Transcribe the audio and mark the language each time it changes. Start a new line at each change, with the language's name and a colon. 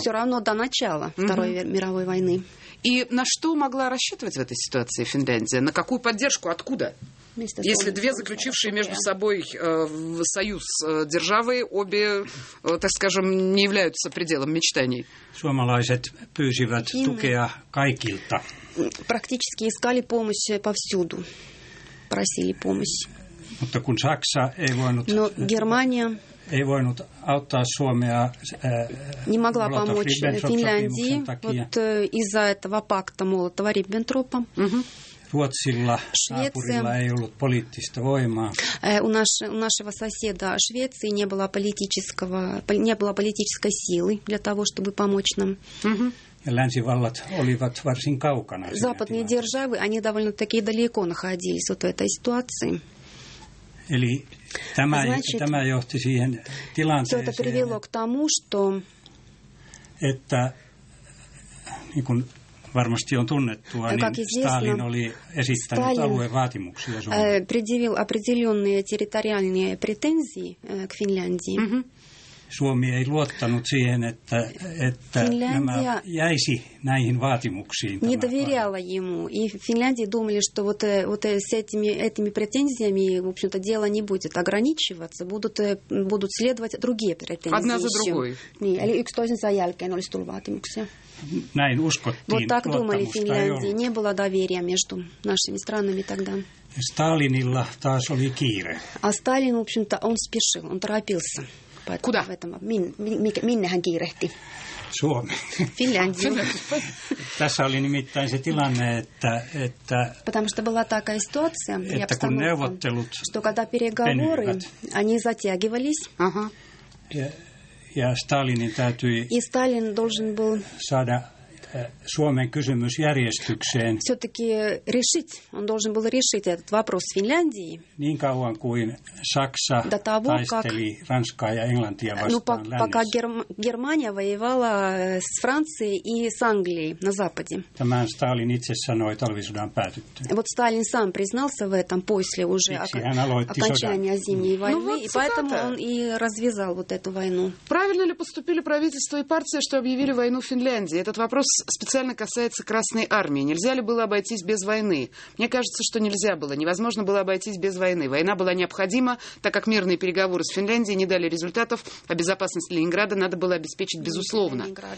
Finnish: alkua.
Russian: Все равно до начала Второй мировой войны. И на что могла рассчитывать в этой ситуации Финляндия? На какую поддержку? Откуда? Если две заключившие между собой союз державы, обе, так скажем, не являются пределом мечтаний.
Finnish: Suomalaiset pyysivät tukea kaikilta.
Russian: Практически искали помощь повсюду. Просили помощь.
Finnish: Mutta kun Saksa ei voinut...
Russian: Но Германия...
Finnish: Ei voinut auttaa Suomea.
Russian: Не могла помочь Финляндии вот из-за этого пакта Молотова-Риббентропа.
Finnish: Ruotsilla, Швеция, ei ollut poliittista voimaa.
Russian: У нашего соседа Швеции не было политического не было политической силы для того, чтобы помочь нам.
Finnish: Länsivallat olivat varsin kaukana.
Russian: Западные державы, они довольно-таки далеко находились от этой ситуации.
Finnish: Eli tämä,
Russian: значит,
Finnish: tämä johti siihen tilanteeseen,
Russian: это привело к тому, что...
Finnish: että niin kuin varmasti on tunnettua, niin Stalin oli esittänyt alueen vaatimuksia Suomeen.
Russian: Предъявил определенные территориальные претензии к Финляндии.
Finnish: Suomi ei luottanut siihen, että nämä jäisi näihin vaatimuksiin.
Russian: Не доверяла ему, и в Финляндии думали, что вот с этими претензиями, в общем-то, дело не будет ограничиваться, будут следовать другие претензии. Одна за другой.
Finnish: Niin, eli yksi toisensa jälkeen olisi tullut vaatimuksia. Näin uskottiin.
Russian: Вот так думали в Финляндии. Не было доверия между нашими странами тогда.
Finnish: Сталинilla taas oli kiire.
Russian: А Сталин, в общем-то, он спешил, он торопился. Куда?
Finnish: Minne hän kiirehti? Suomi.
Russian: Финляндия.
Finnish: Tässä oli nimittäin se tilanne, että...
Russian: Потому что была такая ситуация,
Finnish: että kun neuvottelut
Russian: что когда переговоры, они затягивались,
Finnish: ja Stalinin täytyi
Russian: и Сталин должен был
Finnish: saada Suomen kysymys järjestykseen.
Russian: Все-таки решить, он должен был решить этот вопрос с Финляндией.
Finnish: Niin kauan kuin Saksa taisteli Ranskaa ja Englantia vastaan lännessä.
Russian: Пока Германия воевала с Францией и с Англией на Западе.
Finnish: Tämän Stalin itse sanoi talvisodan päätyttyä.
Russian: Вот Сталин сам признался в этом после уже окончания зимней войны. Ну, вот и поэтому он и развязал вот эту войну. Правильно ли поступили правительство и партия, что объявили войну Финляндии? Этот вопрос специально касается Красной Армии. Нельзя ли было обойтись без войны? Мне кажется, что нельзя было. Невозможно было обойтись без войны. Война была необходима, так как мирные переговоры с Финляндией не дали результатов, а безопасность Ленинграда надо было обеспечить безусловно.